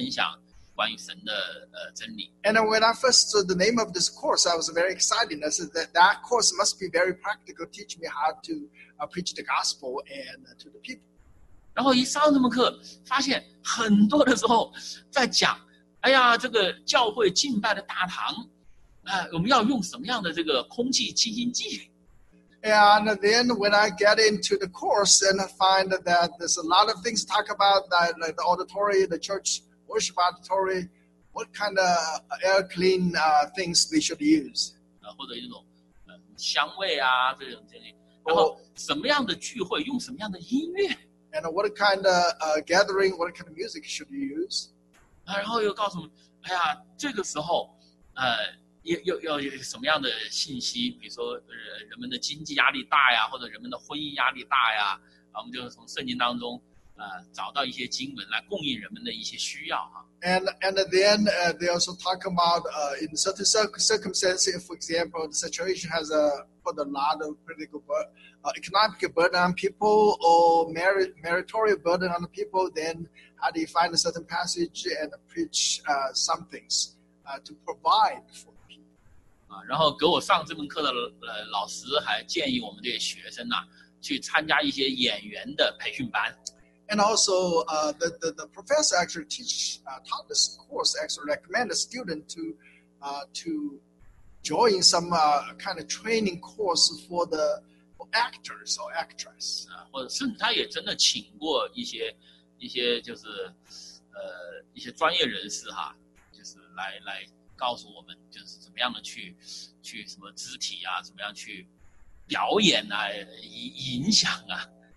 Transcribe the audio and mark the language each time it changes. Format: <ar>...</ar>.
<zh>然后我刚一看到这个课的名称，我心里很高兴。哎呀，这个应该是很有操作性，告诉我怎么去传福音呐，怎么跟人分享关于神的真理。</zh> <en>And when I first saw the name of this course, I was very excited. I said that that course must be very practical, teach me how to preach the gospel and to the people.</en> <zh>然后一上这门课，发现很多的时候在讲，哎呀，这个教会敬拜的大堂，我们要用什么样的这个空气清新剂？</zh> <en>And then when I get into the course and I find that there's a lot of things to talk about, like the auditory, the church worship auditory, what kind of air clean things they should use.</en> <zh>或者一种香味啊，这种东西。然后什么样的聚会，用什么样的音乐。</zh> <en>And what kind of gathering, what kind of music should you use?</en> <zh>然后又告诉我们，哎呀，这个时候，又有什么样的信息？比如说，人们的经济压力大呀，或者人们的婚姻压力大呀，啊，我们就从圣经当中，找到一些经文来供应人们的一些需要啊。</zh> <en>And then they also talk about in certain circumstances, for example, the situation has put a lot of critical economic burden on people or meritorial burden on the people. Then how do you find a certain passage and preach some things to provide for people?</en> <zh>啊，然后给我上这门课的老师还建议我们这些学生呐，去参加一些演员的培训班。</zh> <en>And also, the professor actually taught this course, actually recommend a student to join some kind of training course for the for actors or actress.</en> <zh>啊，或者甚至他也真的请过一些就是一些专业人士哈，就是来告诉我们就是怎么样的去什么肢体啊，怎么样去表演啊，影响啊，</zh>